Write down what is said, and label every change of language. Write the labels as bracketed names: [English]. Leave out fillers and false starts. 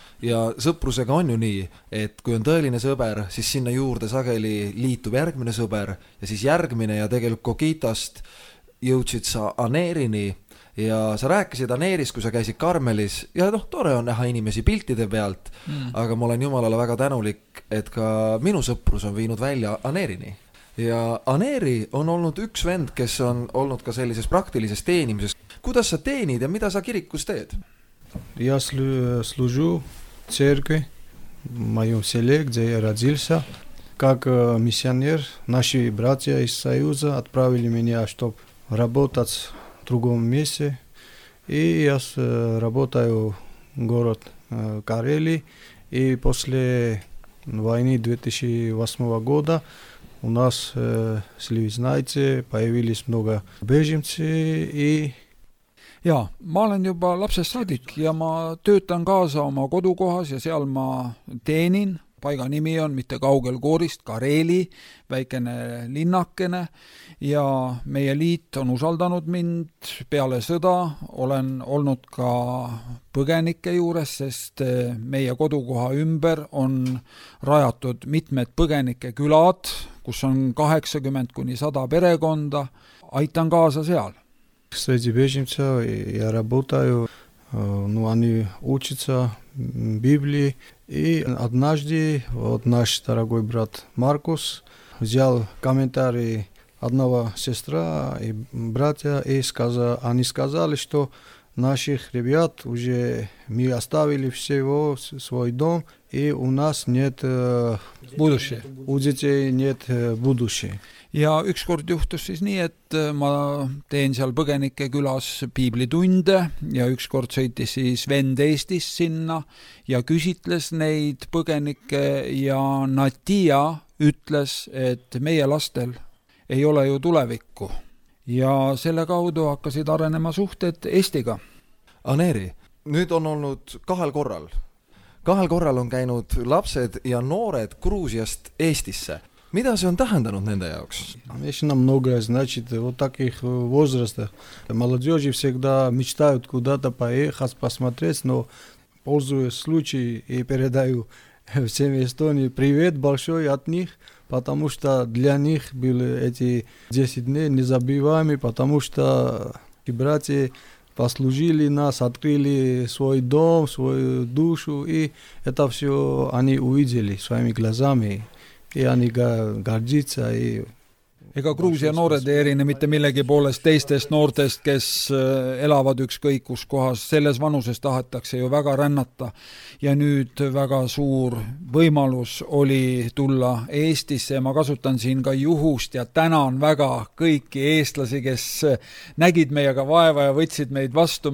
[Estonian] Ja sõprusega on ju nii, et kui on tõeline sõber, siis sinna juurde sageli liitub järgmine sõber ja siis järgmine ja tegelikult Kokitast jõudsid sa Aneerini ja sa rääkisid Aneeris, kui sa käisid Karmelis ja noh, tore on näha inimesi piltide pealt, aga ma olen jumalale väga tänulik, et ka minu sõprus on viinud välja Aneerini. Ja Aneeri on olnud üks vend, kes on olnud ka sellises praktilises teenimises. Kuidas sa teenid ja mida sa kirikus teed? [Russian] Я служу в церкви, в моем селе, где я родился. Как миссионер, наши братья из Союза отправили меня, чтобы работать в другом месте. И я работаю в город Карелии. И после войны 2008 года у нас, если вы знаете, появились много беженцев и... [Estonian] Ja, ma olen juba lapsest saadik ja ma töötan kaasa oma kodukohas ja seal ma teenin. Paiga nimi on mitte kaugel koorist, Kareli, väikene linnakene ja meie liit on usaldanud mind peale sõda. Olen olnud ka põgenike juures, sest meie kodukoha ümber on rajatud mitmed põgenike külad, kus on 80-100 perekonda. Aitan kaasa seal. [Russian] Среди беженцев я работаю, ну, они учатся Библии. И однажды вот наш дорогой брат Маркус взял комментарии одного сестра и братья, и они сказали, что наших ребят уже мы оставили всего свой дом, и у нас нет будущего. У детей нет будущего. [Estonian] Ja ükskord juhtus siis nii, et ma teen seal põgenike külas piiblitunde ja ükskord sõiti siis vend Eestis sinna ja küsitles neid põgenike ja Natia ütles, et meie lastel ei ole ju tulevikku. Ja selle kaudu hakkasid arenema suhted Eestiga. Aneeri, nüüd on olnud kahel korral. Kahel korral on käinud lapsed ja noored Gruusiast Eestisse. Mida see on tähendanud nende jaoks? [Russian] Конечно, многое значит в таких возрастах. Молодежи всегда мечтают куда-то поехать, посмотреть, но пользуясь случаем и передаю всем Эстонии привет большой от них, потому что для них были эти 10 дней незабываемыми, потому что и братья послужили нас, открыли свой дом, свою душу, и это все они увидели своими глазами. [Estonian] Ja nii ka gardžitsa ei... Ega Gruusia noored ei erine mitte millegi poolest teistest noortest, kes elavad ükskõik kus kohas. Selles vanuses tahetakse ju väga rännata. Ja nüüd väga suur võimalus oli tulla Eestisse. Ma kasutan siin ka juhust ja tänan väga kõiki eestlasi, kes nägid meiega vaeva ja võtsid meid vastu.